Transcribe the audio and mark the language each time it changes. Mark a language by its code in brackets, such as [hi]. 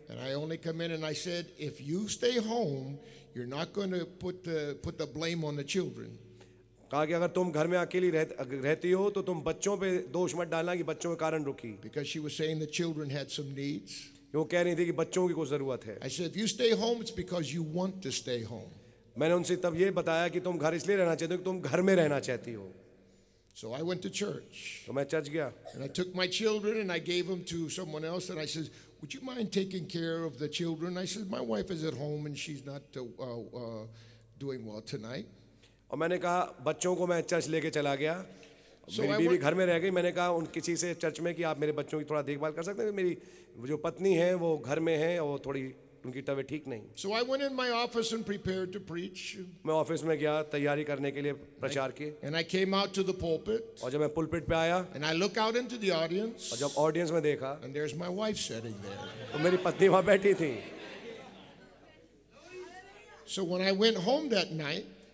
[en] And I only come in and I said, if you stay home, you're not going to put the blame on the children. [hi] कहा कि अगर तुम घर में अकेली रहती हो तो तुम बच्चों पे दोष मत डालना कि बच्चों के कारण रुकी. [en] Because she was saying the children had some needs. [hi] वो कह रही थी कि बच्चों की कुछ जरूरत है. [en] I said, if you stay home, it's because you want to stay home. [hi] मैंने उनसे तब ये बताया कि तुम घर इसलिए रहना चाहते हो कि तुम घर में रहना चाहती हो. [en] So I went to church. [hi] तो मैं चर्च गया. [en] And I took my children and I gave them to someone else and I said, would you mind taking care of the children? I said, my wife is at home and she's not doing well tonight. [hi] और मैंने कहा बच्चों को मैं church लेके चला गया. मेरी बीवी घर में रह गई. मैंने कहा उन किसी से चर्च में कि आप मेरे बच्चों की थोड़ा देखभाल कर सकते हैं. मेरी जो पत्नी है वो घर में है और थोड़ी उनकी तबीयत ठीक नहीं. [en] So I went in my office and prepared to preach. [hi] मैं ऑफिस में गया तैयारी करने के लिए प्रचार के. [en] And I came out to the pulpit. [hi] और जब मैं पुलपिट पे आया. [en] And I look out into the audience. [hi] और जब ऑडियंस में देखा. [en] And there's my wife sitting there. [hi] तो मेरी पत्नी वहाँ बैठी थी. [en] So when I went home that night.